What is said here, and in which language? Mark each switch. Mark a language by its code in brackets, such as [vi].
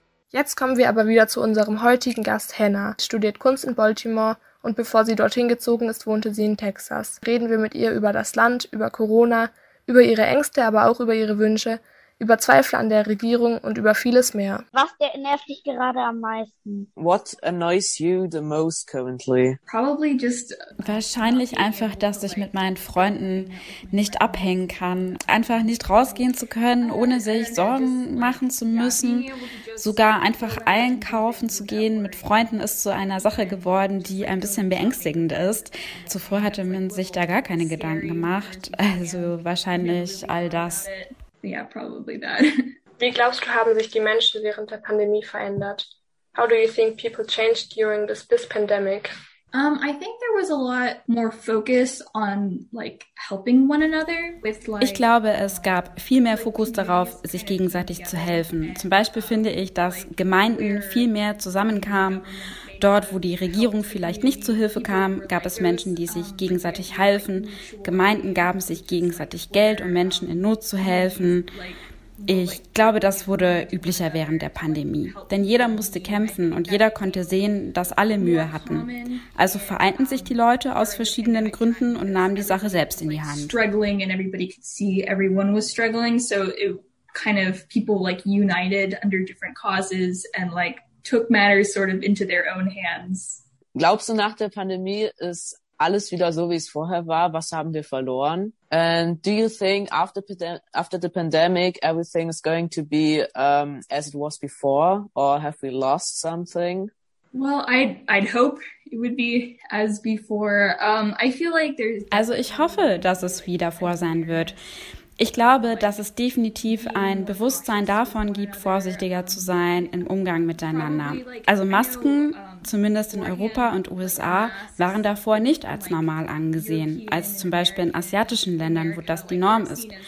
[de] Jetzt kommen wir aber wieder zu unserem heutigen Gast Hannah. Sie studiert Kunst in Baltimore und bevor sie dorthin gezogen ist, wohnte sie in Texas. Reden wir mit ihr über das Land, über Corona, über ihre Ängste, aber auch über ihre Wünsche, über Zweifel an der Regierung und über vieles mehr. Was nervt dich gerade am meisten? [en] What annoys you the most currently? Probably just... [de] Wahrscheinlich einfach, dass ich mit meinen Freunden nicht abhängen kann. Einfach nicht rausgehen zu können, ohne sich Sorgen machen zu müssen. Sogar einfach einkaufen zu gehen mit Freunden ist zu einer Sache geworden, die ein bisschen beängstigend ist. Zuvor hatte man sich da gar keine Gedanken gemacht. Also wahrscheinlich all das... [en] Yeah, probably that. [de] Wie glaubst du, haben sich die Menschen während der Pandemie verändert? [en] How do you think people changed during this pandemic? I think there was a lot more focus on like helping one another with like. [de] Ich glaube, es gab viel mehr Fokus darauf, sich gegenseitig zu helfen. Zum Beispiel finde ich, dass Gemeinden viel mehr zusammenkamen Dort, wo die Regierung vielleicht nicht zu Hilfe kam, gab es Menschen, die sich gegenseitig halfen. Gemeinden gaben sich gegenseitig Geld, um Menschen in Not zu helfen. Ich glaube, das wurde üblicher während der Pandemie. Denn jeder musste kämpfen und jeder konnte sehen, dass alle Mühe hatten. Also vereinten sich die Leute aus verschiedenen Gründen und nahmen die Sache selbst in die Hand. [en] Struggling and everybody could see everyone was struggling. So it kind of people like united under different causes and like took matters sort of into their own hands. [de] Glaubst du, nach der Pandemie ist alles wieder so, wie es vorher war? Was haben wir verloren? [en] And do you think after the pandemic, everything is going to be as it was before? Or have we lost something? Well, I'd hope it would be as before. I feel like there's... [de] Also ich hoffe, dass es wie davor sein wird. Ich glaube, dass es definitiv ein Bewusstsein davon gibt, vorsichtiger zu sein im Umgang miteinander. Also Masken, zumindest in Europa und USA, waren davor nicht als normal angesehen, als zum Beispiel in asiatischen Ländern, wo das die Norm ist.